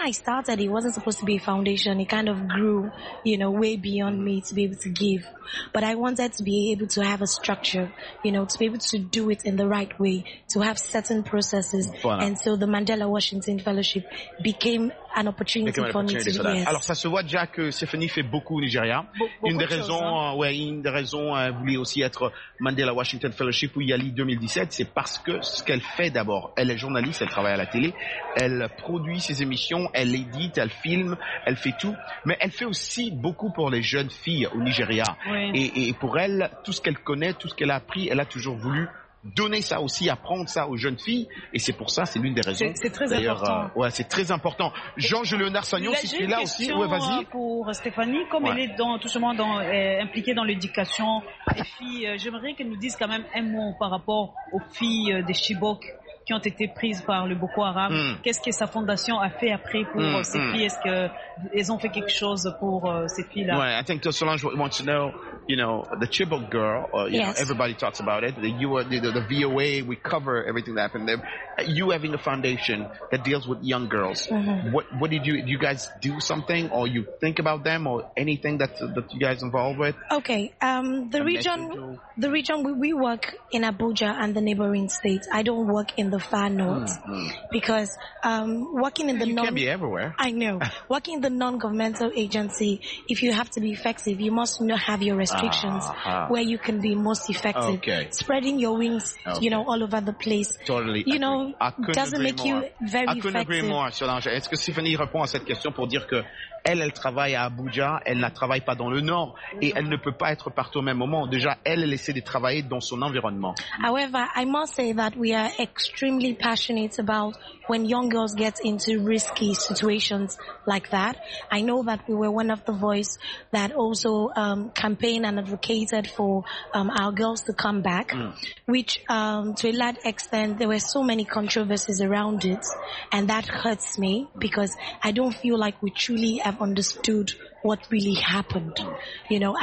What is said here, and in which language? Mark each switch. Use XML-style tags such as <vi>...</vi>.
<en>when I started, it wasn't supposed to be a foundation. It kind of grew, you know, way beyond me to be able to give. But I wanted to be able to have a structure, you know, to be able to do it in the right way, to have certain processes. Voilà. And so the Mandela Washington Fellowship became an opportunity for me to do.</en> <fr>Alors ça se voit déjà que Stéphanie fait beaucoup au Nigeria. Une des raisons, elle voulait aussi être Mandela Washington Fellowship ou Yali 2017, c'est parce que ce qu'elle fait d'abord, elle est journaliste, elle travaille à la télé, elle produit ses émissions, elle édite, elle filme, elle fait tout, mais elle fait aussi beaucoup pour les jeunes filles au Nigeria. Oui. Et pour elle, tout ce qu'elle connaît, tout ce qu'elle a appris, elle a toujours voulu donner ça aussi, apprendre ça aux jeunes filles. Et c'est pour ça, c'est l'une des raisons. C'est très d'ailleurs, important. Ouais, c'est très important. Jean-Julien Sagnon, si tu es là aussi. Ouais, vas-y. Pour Stéphanie, comme ouais. elle est dans, tout simplement dans, impliquée dans l'éducation des filles, j'aimerais qu'elle nous dise quand même un mot par rapport aux filles des Chibok qui ont été prises par le Boko Haram. Mm. Qu'est-ce que sa fondation a fait après pour ces filles? Est-ce qu'elles ont fait quelque chose pour ces filles-là? Oui, je pense que Solange veut savoir,</fr> <en>you know, the Chibok girl, you know, everybody talks about it. The VOA, we cover everything that happened there. You having a foundation that deals with young girls. Mm-hmm. What did you guys do something or you think about them or anything that you guys involved with? Okay, the region we work in Abuja and the neighboring states. I don't work in the far north because working in the you can be everywhere. I know. Working in the non-governmental agency, if you have to be effective, you must not have your restrictions where you can be most effective. Okay. Spreading your wings, you know, all over the place. Totally. You know, doesn't make you very effective. I couldn't agree more, Solange.</en> <fr>Est-ce que Stéphanie répond à cette question pour dire que elle travaille à Abuja, elle ne travaille pas dans le nord et elle ne peut pas être partout au même moment. Déjà, elle essaie de travailler dans son environnement.</fr> <en>However, I must say that we are extremely passionate about when young girls get into risky situations like that. I know that we were one of the voices that also campaigned and advocated for our girls to come back, which to a large extent, there were so many controversies around it, and that hurts me because I don't feel like we truly have understood what really happened, you know.</en>